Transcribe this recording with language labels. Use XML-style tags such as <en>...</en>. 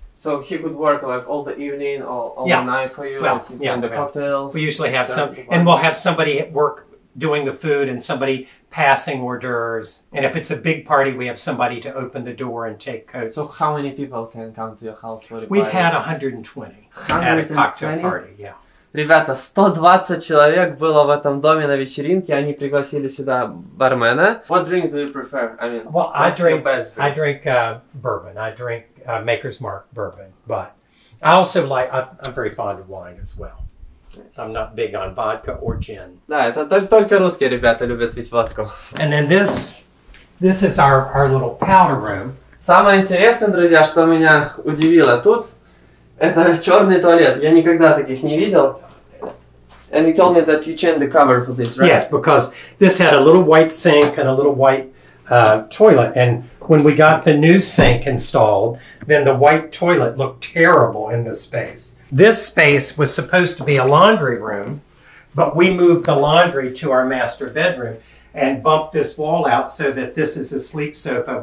<en>So he could work like all the evening or all the night for you? Well, the cocktails. We usually have some, and we'll have somebody at work doing the food and somebody passing hors d'oeuvres. And if it's a big party, we have somebody to open the door and take coats. So how many people can come to your house for a party? We've had 120 at a cocktail party, yeah.</en> <ru>Ребята, 120 человек было в этом доме на вечеринке, они пригласили сюда бармена.</ru> <en>What drink do you prefer? I drink bourbon. I drink Maker's Mark bourbon. But I also like, I'm very fond of wine as well. I'm not big on vodka or gin.</en> <ru>Да, это только русские ребята любят пить водку.</ru> <en>And then this is our little powder room.</en> <ru>Самое интересное, друзья, что меня удивило тут, это черный туалет. Я никогда таких не видел.</ru> <en>And you told me that you changed the cover for this, right? Yes, because this had a little white sink and a little white toilet. And when we got the new sink installed, then the white toilet looked terrible in this space. This space was supposed to be a laundry room, but we moved the laundry to our master bedroom and bumped this wall out so that this is a sleep sofa.</en>